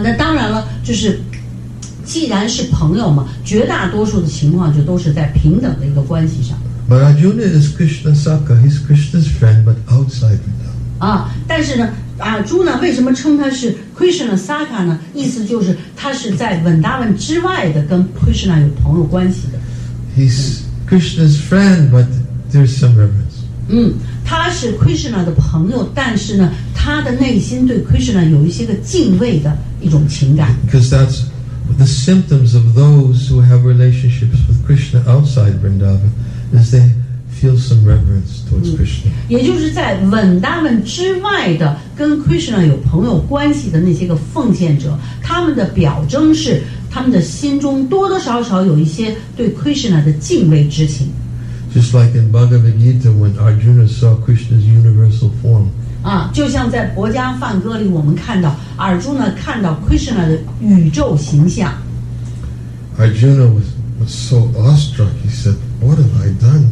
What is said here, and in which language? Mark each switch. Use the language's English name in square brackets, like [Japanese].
[Chinese] 那当然了，就是既然是朋友嘛，绝大多数的情况就都是在平等的一个关系上。 [English] But Arjuna is Krishna's Sakha. He's Krishna's friend, but outside of that. [Chinese] 但是呢，Arjuna为什么称他是 [English] Krishna's Sakha [Chinese] 呢？意思就是他是在 Vrindavan 之外的，跟 Krishna 有朋友关系的。 [English] He's Krishna's friend, but there's some reverence. [Chinese] 他是 Krishna 的朋友，但是呢，他的内心对 Krishna 有一些个敬畏的一种情感。 [English] Because that's the symptoms of those who have relationships with Krishna outside Vrindavan, is they feel some reverence towards Krishna. [Chinese] 也就是在 Vrindavan 之外的跟 Krishna 有朋友关系的那些个奉献者，他们的表征是他们的心中多多少少有一些对 Krishna 的敬畏之情。 [English] Just like in Bhagavad Gita, when Arjuna saw Krishna's universal form. [Chinese] 就像在《薄伽梵歌》里，我们看到 Arjuna 看到 Krishna 的宇宙形象。 [English] Arjuna was so awestruck. He said, "What have I done?